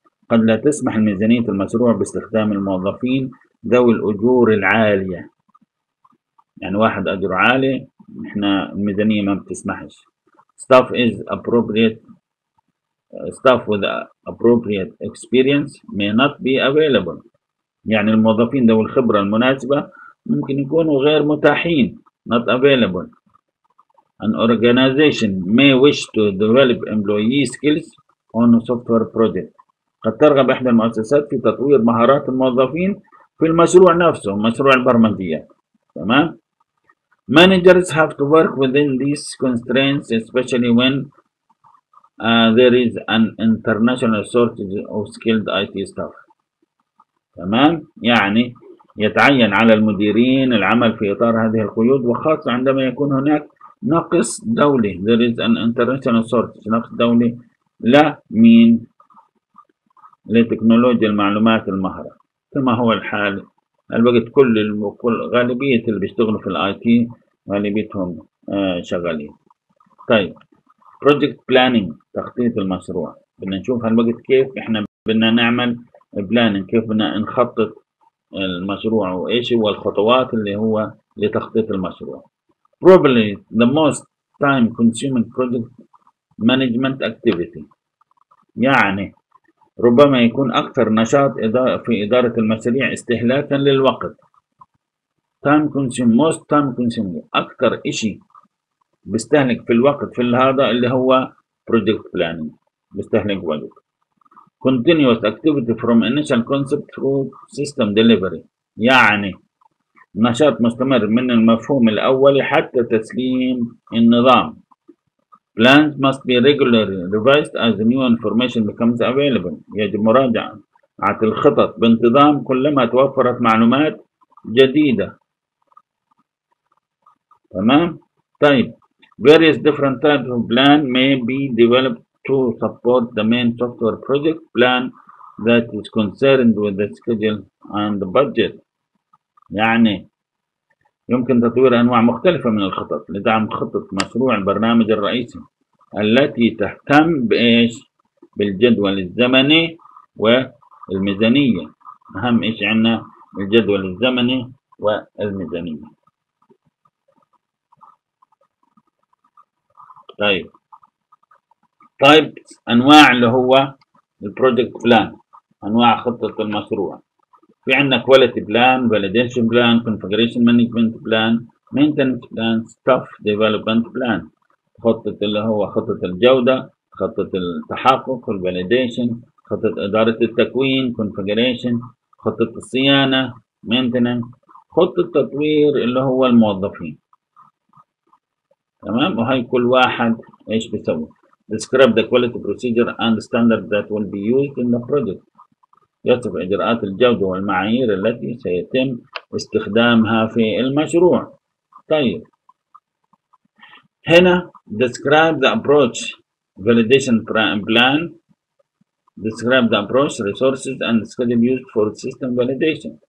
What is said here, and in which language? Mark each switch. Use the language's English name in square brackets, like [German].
[Arabic] قد لا تسمح الميزانية المشروع باستخدام الموظفين ذوي الاجور العالية. يعني واحد أجره عالي احنا الميزانية ما بتسمحش. [English] Staff is appropriate. Staff with appropriate experience may not be available. [Arabic] يعني الموظفين ذوي الخبرة المناسبة ممكن يكونوا غير متاحين. [English] Not available. An organization may wish to develop employee skills on a software project. [Arabic] قد ترغب إحدى المؤسسات في تطوير مهارات الموظفين في المشروع نفسه، مشروع البرمجية. [English] تمام؟ Managers have to work within these constraints especially when there is an international shortage of skilled IT staff. [Arabic] تمام؟ يعني يتعين على المديرين العمل في إطار هذه القيود، وخاصة عندما يكون هناك نقص دولي. [English] There is an international shortage، [Arabic] نقص دولي لا مين لتكنولوجيا المعلومات المهرة، كما هو الحال الوقت كل غالبية اللي بيشتغلوا في الاي تي غالبيتهم شغالين. طيب project planning تخطيط المشروع، بدنا نشوف هالوقت كيف احنا بدنا نعمل planning، كيف بدنا نخطط المشروع وايش هو الخطوات اللي هو لتخطيط المشروع. [English] Probably the most time consuming project management activity. [Arabic] يعني ربما يكون أكثر نشاط في إدارة المشاريع استهلاكا للوقت. [English] Time consuming, most time consuming. [Arabic] أكثر إشي بيستهلك في الوقت في هذا اللي هو project planning. بيستهلك وقت. [English] Continuous activity from initial concept through system delivery. [Arabic] يعني نشاط مستمر من المفهوم الأولي حتى تسليم النظام. [English] Plans must be regularly revised as new information becomes available. [Arabic] يجب مراجعة الخطط بانتظام كلما توفرت معلومات جديدة. [English] تمام؟ طيب. Various different types of plan may be developed to support the main software project plan that is concerned with the schedule and the budget. [Arabic] يعني يمكن تطوير أنواع مختلفة من الخطط لدعم خطة مشروع البرنامج الرئيسي التي تهتم بإيش؟ بالجدول الزمني والميزانية. أهم إيش عندنا؟ الجدول الزمني والميزانية. طيب أنواع اللي هو البروجكت بلان، أنواع خطة المشروع. في عندنا كواليتي بلان، فاليديشن بلان، كونفجريشن مانجمنت بلان، مينتنس بلان، ستاف ديفلوبمنت بلان. خطة اللي هو خطة الجودة، خطة التحقق الفاليديشن، خطة إدارة التكوين كونفجريشن، خطة الصيانة مينتنس، خطة التطوير اللي هو الموظفين. تمام، وهي كل واحد ايش بيسوي. [English] Describe the quality procedure and standard that will be used in the project. [Arabic] يصف إجراءات الجودة والمعايير التي سيتم استخدامها في المشروع. طيب هنا [English] describe the approach validation plan. Describe the approach resources and schedule used for system validation.